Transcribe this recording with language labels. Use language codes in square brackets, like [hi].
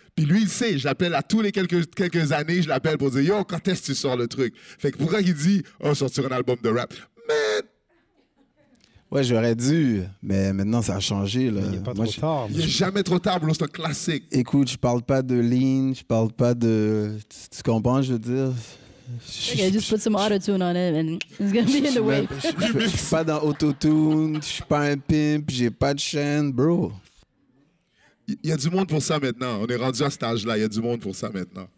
[fr] Puis lui, il sait, j'appelle à tous les quelques années, je l'appelle pour dire, yo, quand est-ce que tu sors le truc? Fait que pourquoi il dit, oh, sortir un album de rap? [en] Man! [fr] Ouais, j'aurais dû, mais maintenant, ça a changé. Là. Il n'est pas trop tard. Il n'est jamais trop tard, bro, c'est un classique. Écoute, je parle pas de lean, je parle pas de... Tu comprends, je veux dire? [en] Okay, just put some auto-tune on it and it's gonna be in the way. [fr] Je suis pas dans auto-tune, je suis pas un pimp, j'ai pas de chaîne, bro. Il y a du monde pour ça maintenant. On est rendu à cet âge-là. Il y a du monde pour ça maintenant.